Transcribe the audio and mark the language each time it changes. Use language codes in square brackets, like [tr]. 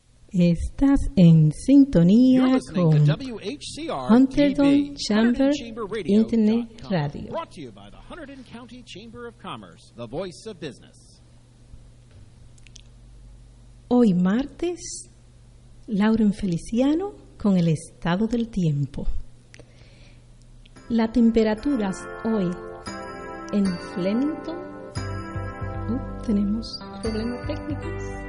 [es] Estás en sintonía con Hunterdon Chamber Internet Radio. [en] Brought to you by the Hunterdon County Chamber of Commerce, the voice of business. [es] Hoy martes, Lauren Feliciano con el estado del tiempo. La temperatura hoy en Flemington. Tenemos problemas técnicos.